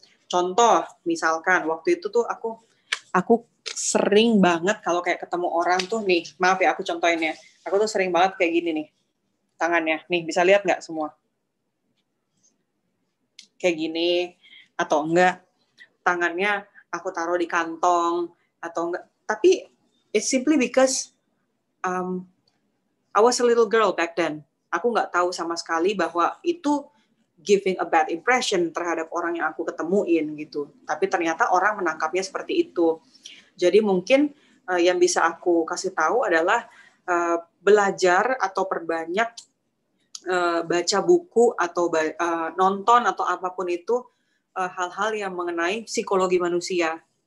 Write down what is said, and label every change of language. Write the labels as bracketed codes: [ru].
[id] Contoh misalkan waktu itu tuh aku sering banget kalau kayak ketemu orang tuh nih, maaf ya aku contohin ya. Aku tuh sering banget kayak gini nih. Tangannya nih bisa lihat enggak semua? Kayak gini atau enggak? Tangannya aku taruh di kantong atau enggak? Tapi [en] it's simply because I was a little girl back then. [id] Aku nggak tahu sama sekali bahwa itu [en] giving a bad impression [id] terhadap orang yang aku ketemuin gitu. Tapi ternyata orang menangkapnya seperti itu. Jadi mungkin yang bisa aku kasih tahu adalah belajar atau perbanyak baca buku atau nonton atau apapun itu hal-hal yang mengenai psikologi manusia.